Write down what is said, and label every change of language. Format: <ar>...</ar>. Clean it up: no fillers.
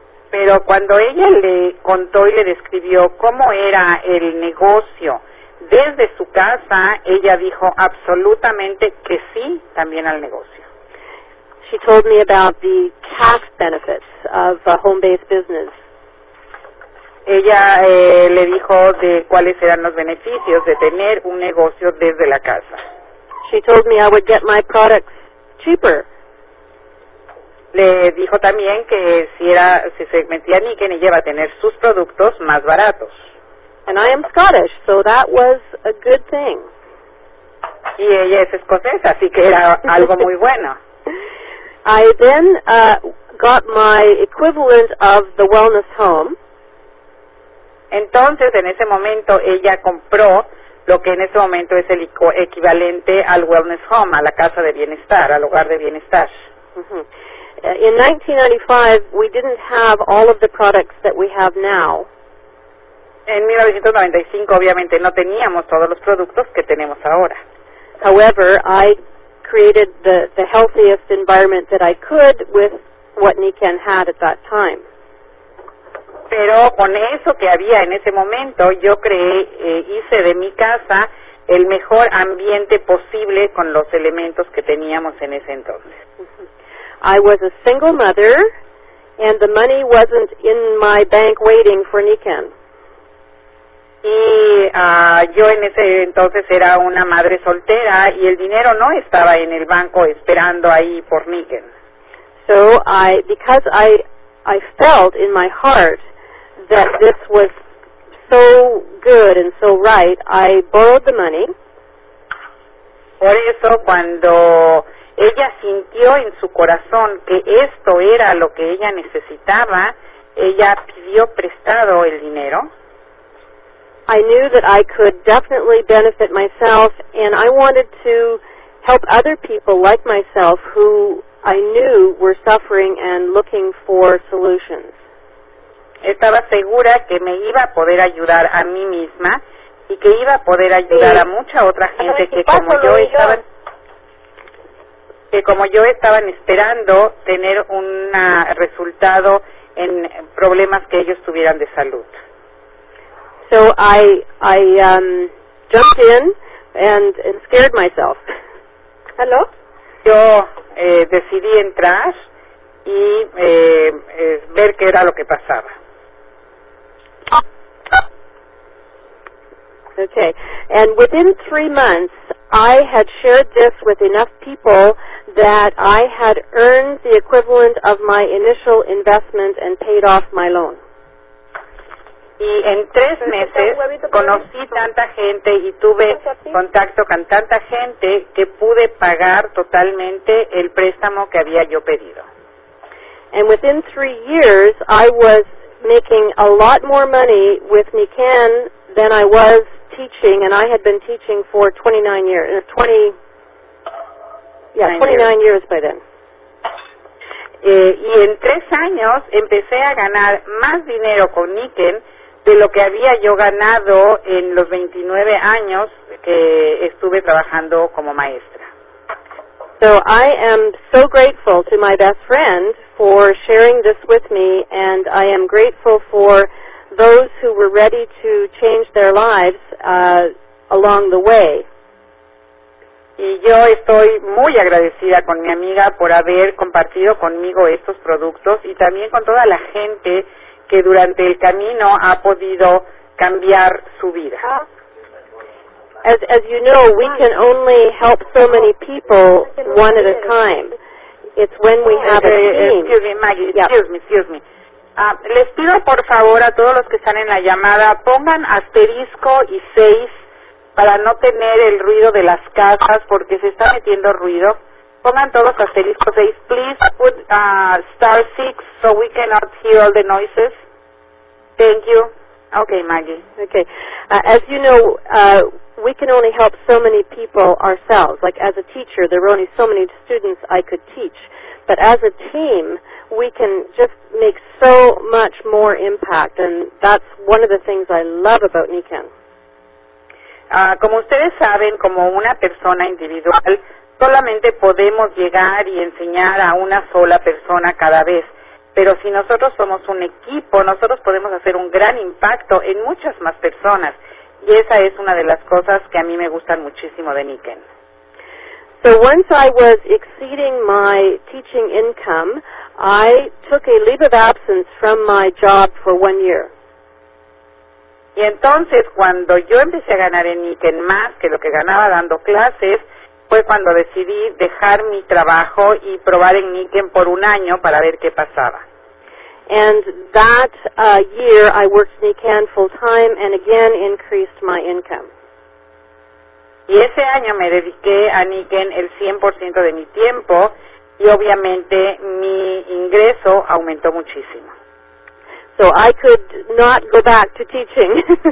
<es>Pero cuando ella le contó y le describió cómo era el negocio desde su casa, ella dijo absolutamente que sí también al negocio.</es> <en>She told me about the tax benefits of a home-based business.</en> <es>Ella le dijo de cuáles eran los beneficios de tener un negocio desde la casa.</es> <en>She told me I would get my products cheaper.</en> <es>Le dijo también que si se metía Niken, ella iba a tener sus productos más baratos.</es> <en>And I am Scottish, so that was a good thing.</en> <es>Y ella es escocesa, así que era algo muy bueno.</es> <en>I then got my equivalent of the wellness home.</en> <es>Entonces, en ese momento, ella compró lo que en ese momento es el equivalente al wellness home, a la casa de bienestar, al hogar de bienestar.</es> <en>In 1995, we didn't have all of the products that we have now.</en> <es>En 1995, obviamente, no teníamos todos los productos que tenemos ahora.</es> <en>However, I created the healthiest environment that I could with what Niken had at that time.</en> <es>Pero con eso que había en ese momento, yo creé, hice de mi casa el mejor ambiente posible con los elementos que teníamos en ese entonces.</es> <en>I was a single mother, and the money wasn't in my bank waiting for Niken.</en> <es>Y yo en ese entonces era una madre soltera, y el dinero no estaba en el banco esperando ahí por Niken.</es> <en>So I felt in my heart that this was so good and so right, I borrowed the money.</en> <es>Por eso cuando ella sintió en su corazón que esto era lo que ella necesitaba, ella pidió prestado el dinero.</es> <en>I knew that I could definitely benefit myself, and I wanted to help other people like myself who I knew were suffering and looking for solutions.</en> <es>Estaba segura que me iba a poder ayudar a mí misma y que iba a poder ayudar a mucha otra gente que como yo estaban esperando tener un resultado en problemas que ellos tuvieran de salud.</es> <en>So I jumped in and scared myself. Hello?</en> <es>Yo decidí entrar y ver qué era lo que pasaba.</es> <en>Okay, and within 3 months, I had shared this with enough people that I had earned the equivalent of my initial investment and paid off my loan.</en> <es>Y en 3 meses, conocí tanta gente y tuve contacto con tanta gente que pude pagar totalmente el préstamo que había yo pedido.</es> <en>And within 3 years, I was making a lot more money with Niken than I was teaching, and I had been teaching for 29 years by then.</en> <es>Y en 3 años empecé a ganar más dinero con Niken de lo que había yo ganado en los 29 años que estuve trabajando como maestra.</es> <en>So I am so grateful to my best friend for sharing this with me, and I am grateful for those who were ready to change their lives along the way.</en> <es>Y yo estoy muy agradecida con mi amiga por haber compartido conmigo estos productos y también con toda la gente que durante el camino ha podido cambiar su vida.</es> <en>As you know, we can only help so many people one at a time. It's when we have a team. Excuse me.</en> <es>Les pido por favor a todos los que están en la llamada, pongan asterisco y 6 para no tener el ruido de las casas porque se está metiendo ruido. Pongan todos asterisco 6.</es> <en>Please put star 6 so we cannot hear all the noises. Thank you. Okay, Maggie. Okay. As you know, we can only help so many people ourselves. Like as a teacher, there were only so many students I could teach. But as a team, we can just make so much more impact, and that's one of the things I love about NECAN.</en> <es>Como ustedes saben, como una persona individual, solamente podemos llegar y enseñar a una sola persona cada vez. Pero si nosotros somos un equipo, nosotros podemos hacer un gran impacto en muchas más personas. Y esa es una de las cosas que a mí me gustan muchísimo de NECAN.</es> <en>So once I was exceeding my teaching income, I took a leave of absence from my job for 1 year.</en> <es>Y entonces cuando yo empecé a ganar en NECAN más que lo que ganaba dando clases, fue cuando decidí dejar mi trabajo y probar en NECAN por un año para ver qué pasaba.</es> <en>And that year I worked NECAN full time and again increased my income.</en> <es>Y ese año me dediqué a NECAN el 100% de mi tiempo y obviamente mi ingreso aumentó muchísimo.</es> <en>So I could not go back to teaching.</en>